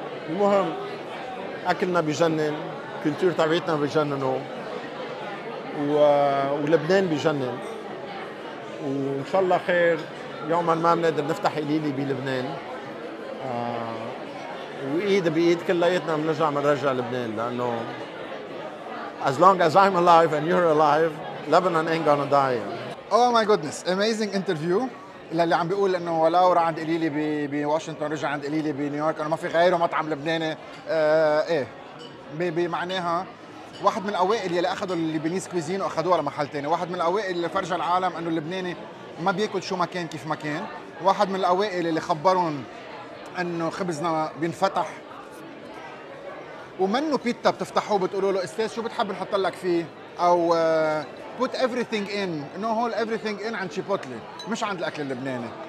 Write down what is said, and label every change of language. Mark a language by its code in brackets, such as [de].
[ar] المهم أكلنا بجنن، كولتور تبعيتنا بجنن، ولبنان بجنن، وإن شاء الله خير يوما ما بنقدر نفتح إليلي بلبنان. وإيد بإيد كلياتنا بنرجع بنرجع لبنان، لأنه [en] as long as I'm alive and you're alive Lebanon ain't gonna die. Oh my goodness, amazing interview. [ar] اللي عم بيقول انه ولاورا عند إليلي بواشنطن رجع عند إليلي بنيويورك انه ما في غيره مطعم لبناني. ايه بمعناها واحد من الاوائل يلي اخذوا اللبنيز كويزين واخذوها لمحل تاني، واحد من الاوائل اللي فرج العالم انه اللبناني ما بياكل شو ما كان كيف ما كان، واحد من الاوائل اللي خبرهم انه خبزنا بينفتح ومنه بيتا بتفتحوه بتقولوا له استاذ شو بتحب نحط لك فيه، او [en] put everything in no hold everything in [ar] عند شيبوتلي مش عند الاكل اللبناني.